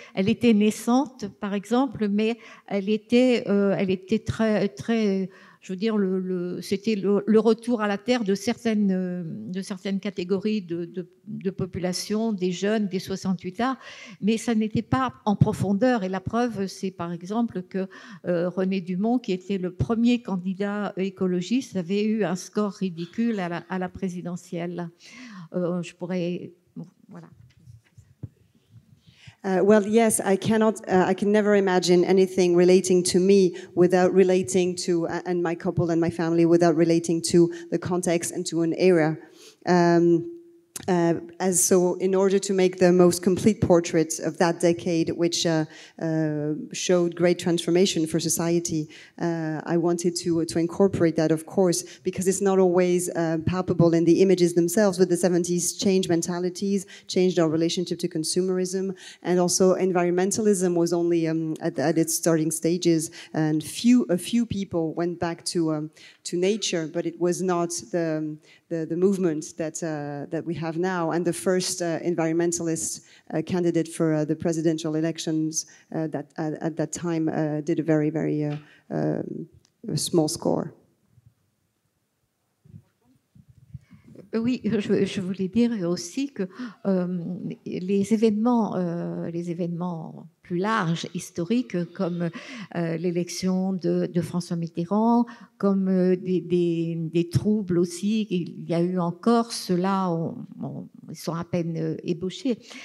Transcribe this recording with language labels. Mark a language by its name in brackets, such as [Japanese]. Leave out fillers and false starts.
[French] Elle était naissante, par exemple, mais elle était très, très, je veux dire, c'était le retour à la terre de certaines catégories de population, des jeunes, des 68ards, mais ça n'était pas en profondeur. Et la preuve, c'est par exemple que René Dumont, qui était le premier candidat écologiste, avait eu un score ridicule à la présidentielle. Je pourrais... Bon, voilà. [English] Well, yes, I cannot. I can never imagine anything relating to me without relating to and my couple and my family without relating to the context and to an era. As so, in order to make the most complete portrait of that decade, which showed great transformation for society, I wanted to incorporate that, of course, because it's not always palpable in the images themselves. But the 70s changed mentalities, changed our relationship to consumerism, and also environmentalism was only at its starting stages, and a few people went back to nature, but it was not the movement that we have now, and the first environmentalist candidate for the presidential elections at that time did a very, very small score. [French] Oui, je voulais dire aussi que les événements plus larges, historiques, comme l'élection de François Mitterrand, comme des troubles aussi qu'il y a eu en Corse, ceux-là, ils sont à peine ébauchés.